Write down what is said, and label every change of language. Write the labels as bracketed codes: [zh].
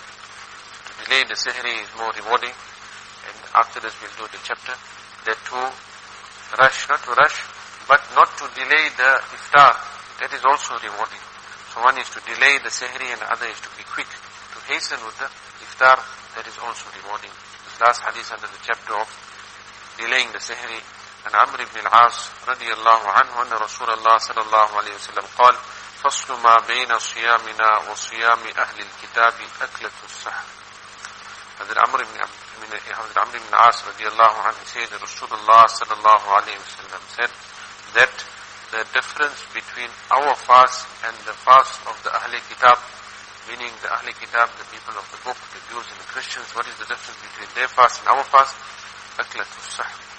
[en] To delay the sehri is more rewarding, and after this we'll do the chapter that to rush, not to rush, but not to delay the iftar, that is also rewarding. So one is to delay the sehri and the other is to be quick, to hasten with the iftar, that is also rewarding. This last hadith under the chapter of delaying the sehri. [ar] عن عمرو بن العاص رضي الله عنه أن رسول الله صلى الله عليه وسلم قال فصل ما بين صيامنا وصيام أهل الكتاب أكلة السحر. [en] عمرو بن العاص [ar] رضي الله عنه [en] said [ar] رسول الله صلى الله عليه وسلم [en] said that the difference between our fast and the fast of the Ahl al-Kitab, meaning the Ahl al-Kitab, the people of the book, the Jews and the Christians, what is the difference between their fast and our fast? Aklatu sahr.